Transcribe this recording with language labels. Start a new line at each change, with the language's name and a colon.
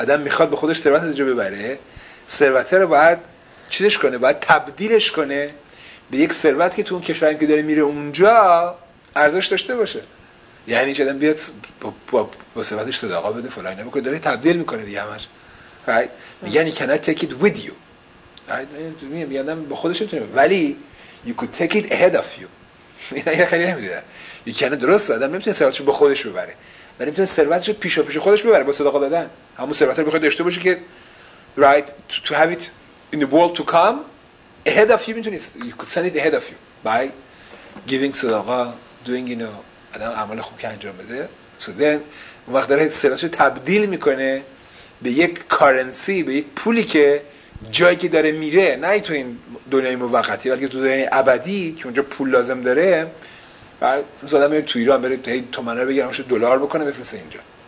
Persian: آدم میخواد به خودش ثروت اینجا ببره، ثروت رو باید چیزش کنه، باید تبدیلش کنه به یک ثروت که تو اون کشوری که داره میره اونجا ارزش داشته باشه. یعنی چه؟ آدم بیاد با ثروتش صدقه بده فلان نمی کنه، داره تبدیل میکنه دیگه همش. میگن
English: you cannot take it with you.
Persian: میگنم با خودش نمی تونه، ولی
English: you could take it ahead of you.
Persian: این خیلی نمی دونه
English: you cannot.
Persian: درست آدم نمی تونه ثروتش رو با خودش ببره، ولی میتونه ثروتش رو پیشا پیش خودش ببره با صدقه دادن. همون ثروت رو بخواد داشته باشه که
English: right to have it in the world to come ahead of you.
Persian: میتونی
English: you could send it ahead of you by giving صدقه، doing you know
Persian: آدم اعمال خوب که انجام بده.
English: So then
Persian: اون وقت داره ثروتش رو تبدیل میکنه به یک currency، به یک پولی که جایی که داره میره، نه تو این دنیای موقتی بلکه تو دنیای ابدی که اونجا پول لازم داره، بعد زدم تو ایران بره هی تومن رو بگیرمش دلار بکنه بفرسته اینجا.